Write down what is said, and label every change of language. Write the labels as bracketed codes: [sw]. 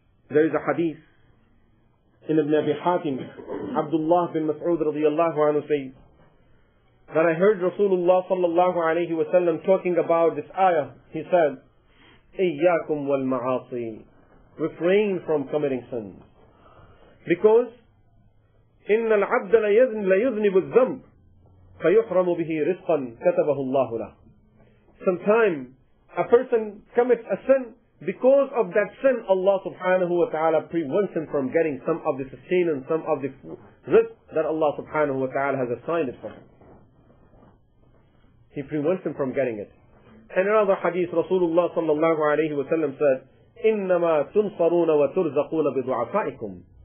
[en] There is a hadith in Ibn Abi Hatim, Abdullah bin Mas'ud radiyallahu anhu says that I heard Rasulullah sallallahu alayhi wa sallam talking about this ayah. He said, [ar] Iyyakum wal ma'asi, [en] refrain from committing sins. Because, [ar] إِنَّ الْعَبْدَ لَيُذْنِبُ الذَّنْبُ فَيُحْرَمُ بِهِ رِزْقًا كَتَبَهُ اللَّهُ لَهُ. [en] Sometime, a person commits a sin. Because of that sin, Allah subhanahu wa ta'ala prevents him from getting some of the sustain and some of the risk that Allah subhanahu wa ta'ala has assigned it for him. He prevents him from getting it. And another hadith, Rasulullah sallallahu alayhi wa sallam said, [ar] إِنَّمَا تُنصَرُونَ وَتُرْزَقُونَ بِضُعَفَائِكُمْ.